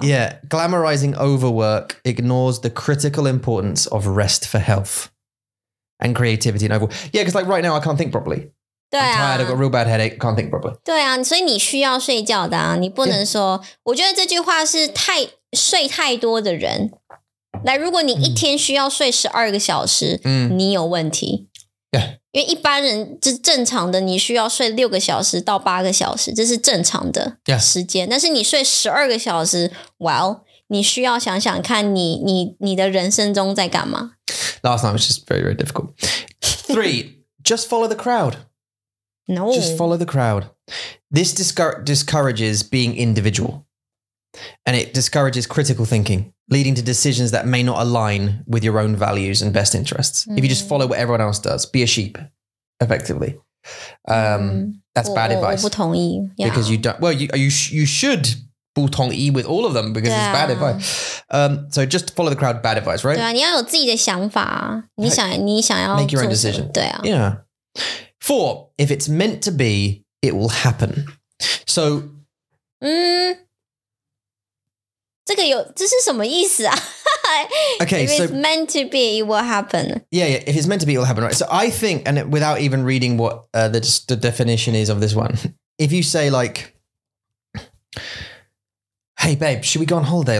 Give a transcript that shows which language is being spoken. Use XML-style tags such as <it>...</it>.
<en>Yeah, glamorizing overwork ignores the critical importance of rest for health and creativity and overwork. Yeah, because like right now I can't think properly.</en> <zh>对啊。</zh> <en>I'm tired, I've got a real bad headache, can't think properly.</en> <zh>对啊，所以你需要睡觉的啊，你不能说。</zh> <en>Yeah.</en> <zh>我觉得这句话是太睡太多的人。来，如果你一天需要睡12个小时，你有问题。</zh> <en>Yeah.</en> <zh>因为一般人是正常的，你需要睡六个小时到八个小时，这是正常的时间。</zh> <en>Yeah.</en> <zh>但是你睡十二个小时 ，Well, 你需要想想看你的人生中在干嘛。</zh> <en>Last night was just very very difficult. Three, just follow the crowd. No, just follow the crowd. This discourages being individual. And it discourages critical thinking, leading to decisions that may not align with your own values and best interests. Mm. If you just follow what everyone else does, be a sheep, effectively. That's bad advice.</en> <zh>我不同意, yeah.</zh> <en>Because you don't, well, you should</en> <zh>不同意</zh> <en>with all of them because it's bad advice. So just follow the crowd, bad advice, right?</en> <zh>对啊,你要有自己的想法,你想要做什么,</zh> <en>make your own decision.</en> <zh>对啊。</zh> <en>Yeah. Four, if it's meant to be, it will happen. So,</en> <zh>这是什么意思啊?</zh> <en>Okay, if it's meant to be, it will happen. Yeah, if it's meant to be, it will happen, right? So I think, and without even reading what the definition is of this one, if you say like, hey, babe, should we go on holiday?</en>